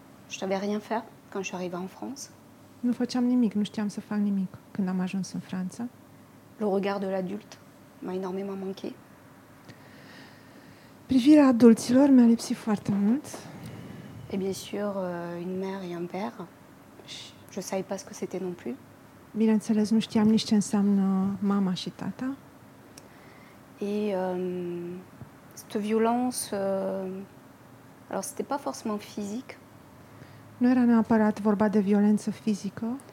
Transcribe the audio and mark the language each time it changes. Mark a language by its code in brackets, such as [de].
[fr] Je n'avais rien faire quand je suis arrivée en France. [ro] Nu făceam nimic, nu știam să fac nimic când am ajuns în Franța. [fr] Le regard de l'adulte m'a énormément manqué. [ro] Privirea adulților mi-a lipsit foarte mult. [fr] Et bien sûr, une mère et un père. Je savais pas ce que c'était non plus. [ro] Bineînțeles, nu știam nici ce înseamnă mama și tata. [fr] Et cette violence, alors ce n'était pas forcément physique. [ro] Nu era neapărat vorba de violență fizică.